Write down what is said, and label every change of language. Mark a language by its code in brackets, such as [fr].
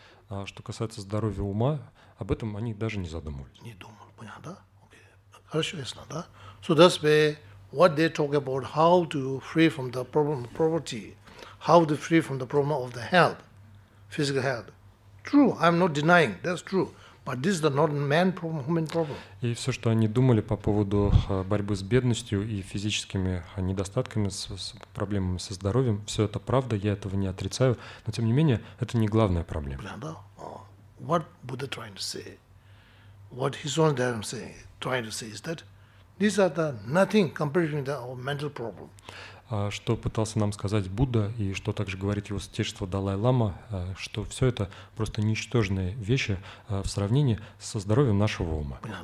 [ru] А что касается здоровья ума, об этом они даже не задумывались. Не думал, понятно, да? Okay. Хорошо, ясно, да? [en] So that's where what they talk about how to free from the problem of poverty. How to free from the problem of the health, physical health. True, I'm not denying, that's true. But this is not a man problem, human problem. [ru] И все, что они думали по поводу борьбы с бедностью и физическими недостатками, с проблемами со здоровьем, все это правда, я этого не отрицаю. Но тем не менее, это не главная проблема. Правда? [en] What Buddha trying to say? What his own Dharma trying to say is that these are the nothing compared to our mental problem. [ru] Что пытался нам сказать Будда и что также говорит его святейшество Далай-лама, что все это просто ничтожные вещи в сравнении со здоровьем нашего ума.